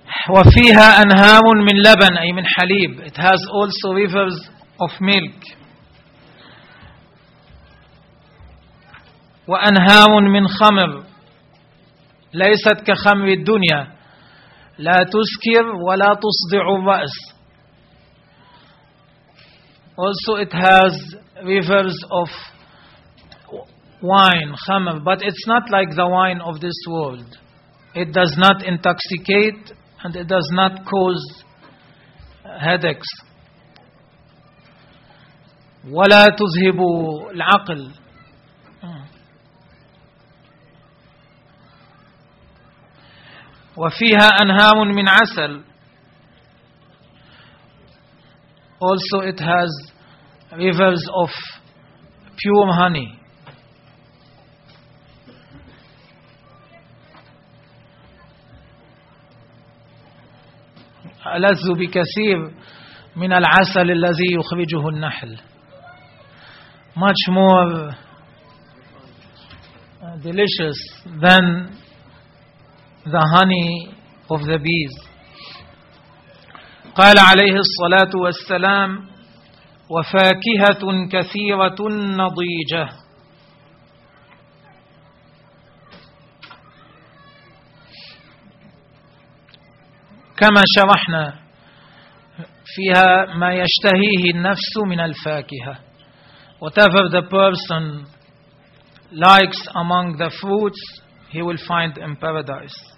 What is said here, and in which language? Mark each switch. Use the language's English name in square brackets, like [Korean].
[Arabic] وفيها أنهار من لبن أي من حليب. [English] It has also rivers of milk. [Arabic] وأنهار من خمر ليست كخمر الدنيا لا تسكر ولا تصدع الرأس. [English] Also it has rivers of wine, khamr, but it's not like the wine of this world. It does not intoxicate and it does not cause headaches. [Arabic] ولا تذهب العقل. وفيها أنهار من عسل. [English] Also it has rivers of pure honey. [Arabic] ألذ بكثير من العسل الذي يخرجه النحل. [English] Much more delicious than the honey of the bees. [Arabic] قال عليه الصلاة والسلام وفاكهة كثيرة نضيجة. كما شرحنا فيها ما يشتهيه النفس من الفاكهة. [English] Whatever the person likes among the fruits, he will find in paradise.